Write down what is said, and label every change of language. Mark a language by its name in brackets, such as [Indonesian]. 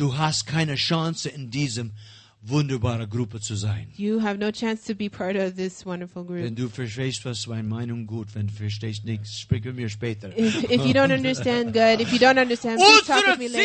[German] Du hast keine Chance in diesem wunderbaren Gruppe zu sein. [English] You have no chance to be part of this wonderful group. [German] Wenn du verstehst, was meine Meinung gut, wenn du verstehst nicht, sprich mit mir später. [English] If you don't understand good, if you don't understand, please talk with me later.